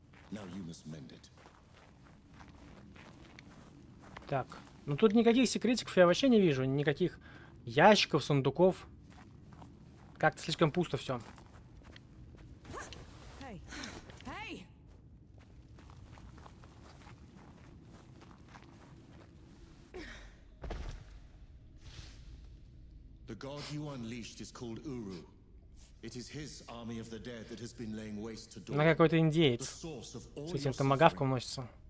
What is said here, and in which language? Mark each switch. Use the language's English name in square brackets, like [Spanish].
[English] Now you must mend it. Так, [Russian] Ну тут никаких секретиков я вообще не вижу. Никаких ящиков, сундуков. Как-то слишком пусто все. [English] God you unleashed is called Uru. It is his army of the dead that has been laying waste to Dorne. [Russian] На какой-то индеец. С этим томагавком носится.